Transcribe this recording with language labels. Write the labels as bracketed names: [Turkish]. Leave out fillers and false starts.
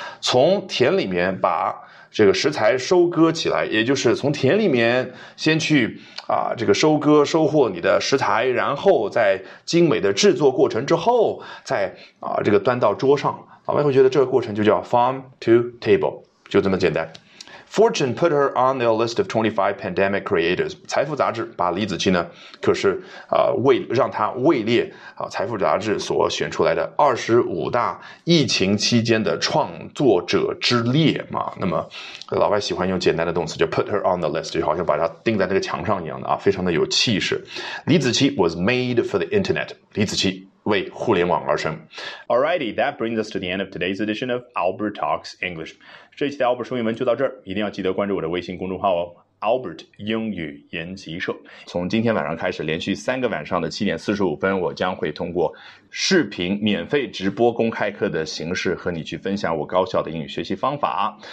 [Chinese] 从田里面把这个食材收割起来，也就是从田里面先去啊，这个收割收获你的食材，然后在精美的制作过程之后，再啊这个端到桌上，老外会觉得这个过程就叫 [English] farm to table, [Chinese] 就这么简单。 [English] Fortune put her on their list of 25 pandemic creators. [Chinese] 财富杂志把李子柒呢，可是让她位列啊财富杂志所选出来的25大疫情期间的创作者之列嘛。那么老外喜欢用简单的动词，就 [English] put her on the list, [Chinese] 就好像把她钉在那个墙上一样的啊，非常的有气势。 [English] 李子柒 was made for the internet. [Chinese] 李子柒为互联网而生。 [English] Alrighty, that brings us to the end of today's edition of Albert Talks English. [Chinese] 这一期的 Albert 说英文就到这儿，一定要记得关注我的微信公众号哦， Albert 英语研习社。从今天晚上开始，连续三个晚上的7:45，我将会通过视频免费直播公开课的形式和你去分享我高效的英语学习方法。